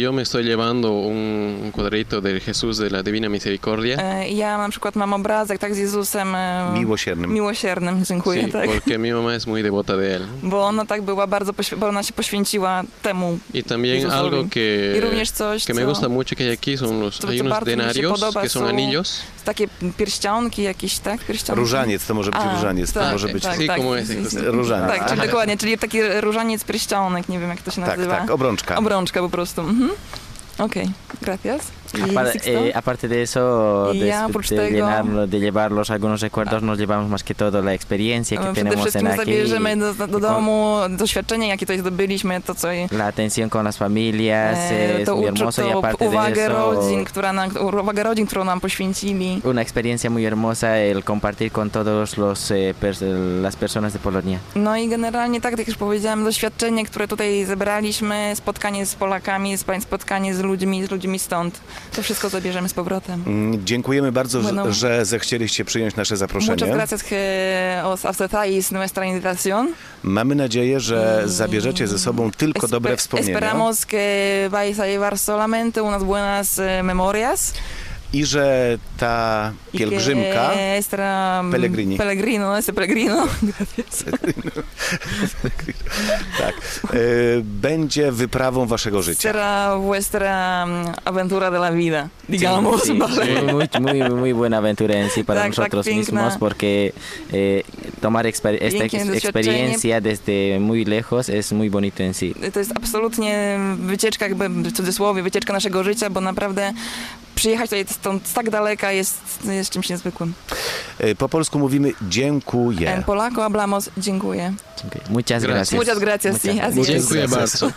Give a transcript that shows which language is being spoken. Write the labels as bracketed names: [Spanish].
[Spanish] yo me estoy llevando un cuadrito de Jesús de la Divina Misericordia. [Polish] Ya, na przykład, mam obrazek, tak, z Jezusem miłosiernym, dziękuję, tak. [Spanish] Porque mi mamá es muy devota de él. [Polish] Bo ona tak była bardzo, bo ona się poświęciła temu. [Spanish] I también algo que... [Polish] I również coś, [Spanish] que [Polish] co, [Spanish] me gusta mucho que hay aquí son los, hay unos denarios, [Polish] podoba, [Spanish] que son anillos. [Polish] Takie pierścionki jakieś, tak? Pierścionki. Różaniec, to może być różaniec, to może być. [Spanish] Sí, como es. [Polish] Różaniec. Tak, czyli dokładnie, czyli taki różaniec, pierścionek, nie wiem jak to się nazywa. Tak, tak, obrączka. Obrączka po prostu. Mhm. Ok, [Spanish] gracias. Aparte de eso, de llevarlos algunos recuerdos, nos llevamos más que todo la experiencia que tenemos en aquí. [Polish] Zabierzemy do domu doświadczenie, jakie tutaj zdobyliśmy, to co... [Spanish] La atención con las familias es muy hermoso y aparte de eso... [Polish] Uwagę rodzin, którą nam poświęcili. [Spanish] Una experiencia muy hermosa el compartir con todos los las personas de Polonia. [Polish] No i generalnie tak, jak już powiedziałem, doświadczenie, które tutaj zebraliśmy, spotkanie z Polakami, spotkanie z ludźmi stąd. To wszystko zabierzemy z powrotem. Dziękujemy bardzo, że zechcieliście przyjąć nasze zaproszenie. [Spanish] Muchas gracias que os aceptáis nuestra invitación. [Polish] Mamy nadzieję, że zabierzecie ze sobą tylko dobre wspomnienia. [Spanish] Esperamos que vais a llevar solamente unas buenas memorias. [Polish] I że ta pielgrzymka, [Italian] pellegrino, [Polish] tak, będzie wyprawą waszego życia. [Spanish] Será vuestra aventura de la vida, digamos. Sí, sí, vale. muy buena aventura en sí para nosotros mismos, porque tomar esta experiencia desde muy lejos es muy bonito en sí. [Polish] To jest absolutnie wycieczka, jakby w cudzysłowie, wycieczka naszego życia, bo naprawdę przyjechać tutaj stąd tak daleka jest czymś niezwykłym. Po polsku mówimy dziękuję. [Spanish] En polaco hablamos dziękuję. Muchas gracias. Muchas gracias. [Polish] Dziękuję bardzo.